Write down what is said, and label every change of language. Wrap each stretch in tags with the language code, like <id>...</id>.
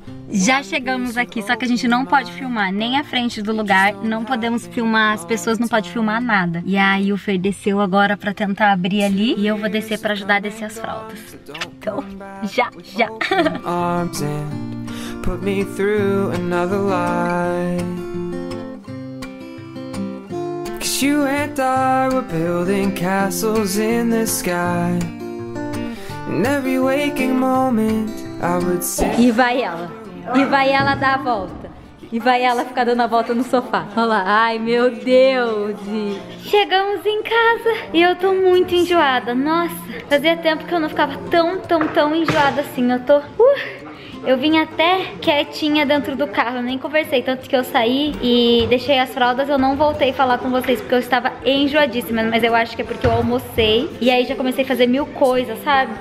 <pt>Já chegamos aqui, só que a gente não pode filmar nem a frente do lugar, não podemos filmar, as pessoas não podem filmar nada. E aí o Fer desceu agora pra tentar abrir ali e eu vou descer pra ajudar a descer as fraldas. Então, já.</pt> <en>Arms and put me through another life. 'Cause you and I were building castles in the sky. Every waking moment I would say.</en> <pt>E vai ela. E vai ela dar a volta. E vai ela ficar dando a volta no sofá. Olha lá. Ai, meu Deus. Chegamos em casa. E eu tô muito enjoada. Nossa. Fazia tempo que eu não ficava tão enjoada assim. Eu tô... Eu vim até quietinha dentro do carro, nem conversei, tanto que eu saí e deixei as fraldas, eu não voltei a falar com vocês porque eu estava enjoadíssima, mas eu acho que é porque eu almocei e aí já comecei a fazer mil coisas, sabe?</pt>